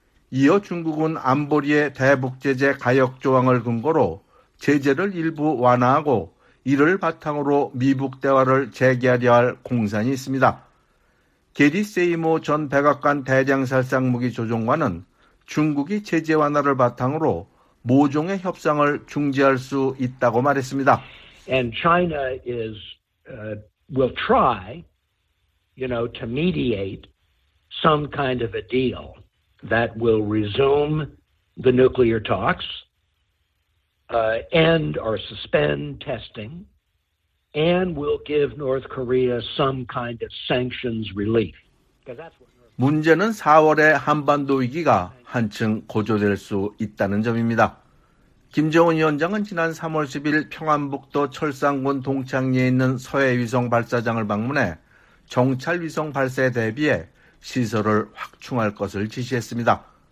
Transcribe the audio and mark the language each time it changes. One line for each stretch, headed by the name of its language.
Korean: 이어 중국은 안보리의 대북 제재 가역 조항을 근거로 제재를 일부 완화하고 이를 바탕으로 미북 대화를 재개하려 할 공산이 있습니다. 게리 세이모 전 백악관 대량살상무기 조종관은 중국이 제재 완화를 바탕으로 모종의 협상을 중지할 수 있다고 말했습니다.
English: And China is will try, you know, to mediate some kind of a deal that will resume the nuclear talks, end or suspend testing, and will give North Korea some kind of sanctions relief.
Korean: 문제는 4월에 한반도 위기가 한층 고조될 수 있다는 점입니다. 김정은 위원장은 지난 3월 10일 평안북도 철산군 동창리에 있는 서해위성 발사장을 방문해 정찰위성 발사에 대비해 시설을 확충할 것을 지시했습니다.